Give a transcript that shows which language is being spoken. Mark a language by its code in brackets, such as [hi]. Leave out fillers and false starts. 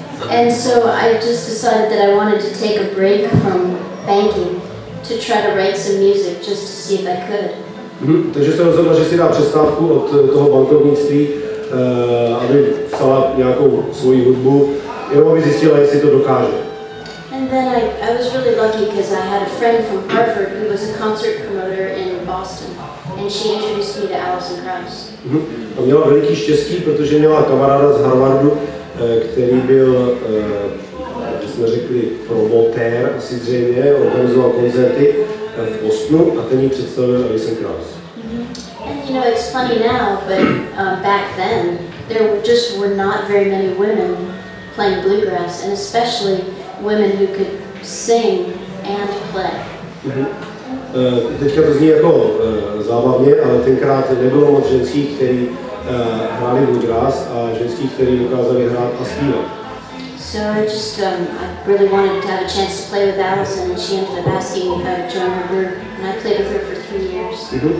[en] And so I just decided that I wanted to take a break from banking to try to write some music just to see if I could. [cs] Takže jsem rozhodla, že si dá přestávku od toho bankovnictví, aby psala nějakou svoji hudbu, jenom aby zjistila, jestli to dokáže. [en] And then I was really lucky because I had a friend from Hartford who was a concert promoter in Boston, and she introduced me to Alison Krauss. [cs] A měla veliký štěstí, protože měla kamaráda z Harvardu, který byl, jsme řekli, promotér asi zřejmě, organizoval koncerty v Bostonu a ten jí představil Alison Krauss. [en] And you know, it's funny now, but back then, there just were not very many women playing bluegrass, and especially women who could sing and play. [cs] Teďka to zní jako zábavně, ale tenkrát nebylo moc ženských, který hráli bluegrass a ženských, který dokázali hrát a zpívat. [en] So I just I really wanted to have a chance to play with Alison, and she ended up asking me if I would join her group, and I played with her for 3 years.